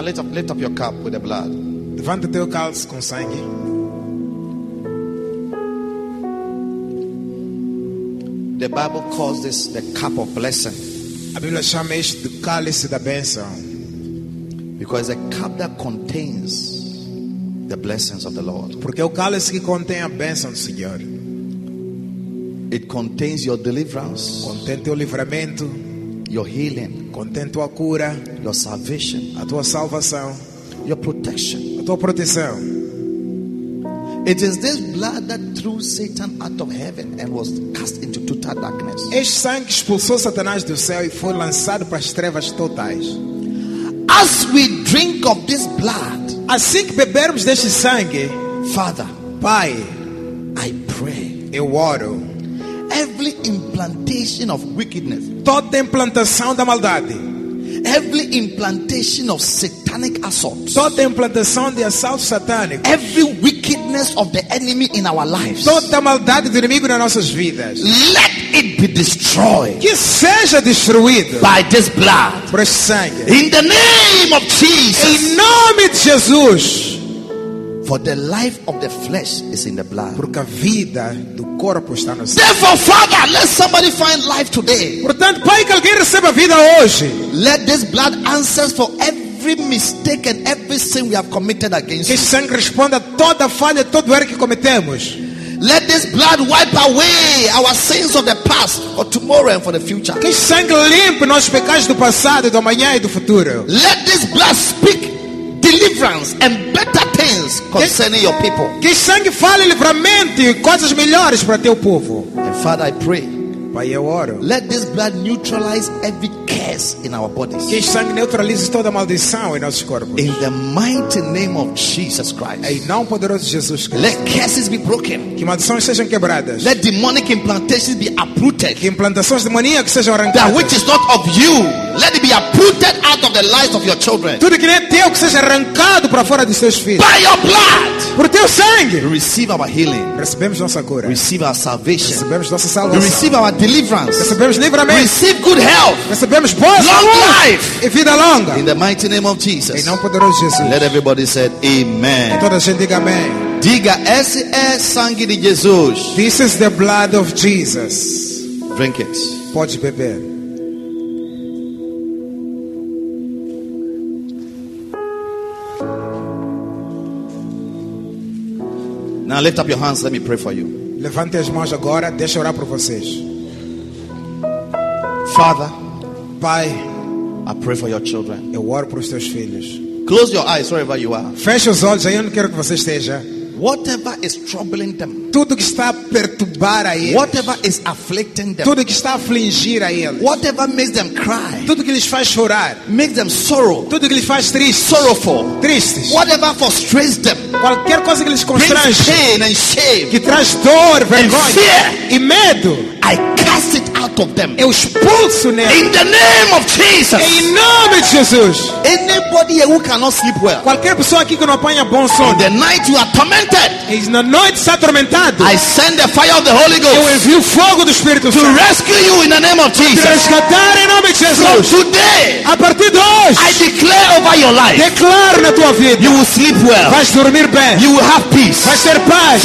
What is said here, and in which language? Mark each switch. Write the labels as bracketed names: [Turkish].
[English] Lift up your cup with the blood. [Portuguese] Levanta teu cálice com sangue. [English] The Bible calls this the cup of blessing. [Portuguese] A Bíblia chama isto de cálice da bênção. [English] Because a cup that contains the blessings of the Lord. [Portuguese] Porque o cálice que contém a bênção do Senhor. [English] It contains your deliverance. [Portuguese] Contém teu livramento. [English] Your healing. [Portuguese] Contém tua cura. [English] Your salvation. [Portuguese] A tua salvação. [English] Your protection. [Portuguese] A tua proteção. [English] It is this blood that threw Satan out of heaven and was cast into total darkness. [Portuguese] Este sangue expulsou Satanás do céu e foi lançado para as trevas totais. [English] As we drink of this blood, [Portuguese] assim que bebermos deste sangue, [English] Father, [Portuguese] Pai, [English] I pray. [Portuguese] Eu oro. [English] Every implantation of wickedness. [Portuguese] Toda implantação da maldade. [English] Every implantation of satanic assault. [Portuguese] Toda implantação de assalto satânico. [English] Every wickedness of the enemy in our lives. [Portuguese] Toda maldade do inimigo nas nossas vidas. [English] Let it be destroyed. [Portuguese] Que seja destruído. [English] By this blood. [Portuguese] Por este sangue. [English] In the name of Jesus. [Portuguese] Em nome de Jesus. [English] For the life of the flesh is in the blood. [Portuguese] Porque a vida do corpo está no sangue. [English] Therefore, Father, let somebody find life today. [Portuguese] Portanto, Pai, que alguém receba vida hoje. [English] Let this blood answer for every mistake and every sin we have committed against. [Portuguese] Que este sangue responda toda falha, todo erro que cometemos. [English] Let this blood wipe away our sins of the past, or tomorrow and for the future. [Portuguese] Que este sangue limpe nossos pecados do passado, do amanhã e do futuro. [English] Let this blood speak deliverance and better things concerning your people. [Portuguese] Que sangue fale livramento e coisas melhores para teu povo. [English] And Father, I pray. By your water. Let this blood neutralize every curse in our bodies. [Portuguese] Que sangue neutralize toda maldição em nossos corpos. [English] In the mighty name of Jesus Christ. [Portuguese] Em nome poderoso de Jesus Cristo. [English] Let curses be broken. [Portuguese] Que maldições sejam quebradas. [English] Let demonic implantations be uprooted. [Portuguese] Que implantações demoníacas sejam arrancadas. [English] That which is not of you, let it be uprooted out of the lives of your children. [Portuguese] Tudo que não é teu que seja arrancado para fora de seus filhos. [English] By your blood. [Portuguese] Por teu sangue. [English] Receive our healing. [Portuguese] Recebemos nossa cura. [English] Receive our salvation. [Portuguese] Recebemos nossa salvação. [English] Receive our deliverance. [Portuguese] Recebemos livramento. [English] Receive good health. [Portuguese] Recebemos boa [English] long [Portuguese] saúde. [English] Life. [Portuguese] E vida longa. [English] In the mighty name of Jesus. [Portuguese] Em nome poderoso de Jesus. [English] Let everybody say amen. [Portuguese] Toda a gente diga amém. Diga, esse é sangue de Jesus. [English] This is the blood of Jesus. Drink it. [Portuguese] Pode beber. [English] Now lift up your hands, let me pray for you. [Portuguese] Levante as mãos agora, deixa eu orar por vocês. [English] Father, [Portuguese] Pai, [English] I pray for your children. [Portuguese] Eu oro por os teus filhos. [English] Close your eyes wherever you are. [Portuguese] Feche os olhos aí onde quer que você esteja. [English] Whatever is troubling them, [Portuguese] tudo que está a perturbar a eles, [English] whatever is afflicting them, [Portuguese] tudo que está a afligir a eles, [English] whatever makes them cry, [Portuguese] tudo que lhes faz chorar, [English] makes them sorrow, [Portuguese] tudo que lhes faz triste, [English] sorrowful, [Portuguese] tristes, [English] whatever frustrates them, [Portuguese] qualquer coisa que lhes constrange, [English] pain and shame, [Portuguese] que traz dor, vergonha, [English] fear, [Portuguese] e medo, [English] I cast it out of them, [Portuguese] eu expulso neles, [English] in the name of Jesus, [Portuguese] em nome de Jesus. [English] Anybody here who cannot sleep well, [Portuguese] qualquer pessoa aqui que não apanha bom sono, [English] the night you are tormented, [Portuguese] is na noite está atormentado, [English] I send the fire of the Holy Ghost, [Portuguese] eu envio fogo do Espírito Santo, [English] to rescue you in the name of Jesus, [Portuguese] para resgatar em nome de Jesus. [English] From today, [Portuguese] a partir de hoje, [English] I declare over your life, [Portuguese] declaro na tua vida, [English] you will sleep well, [Portuguese] vais dormir bem, [English] you will have peace, [Portuguese] vais ter paz.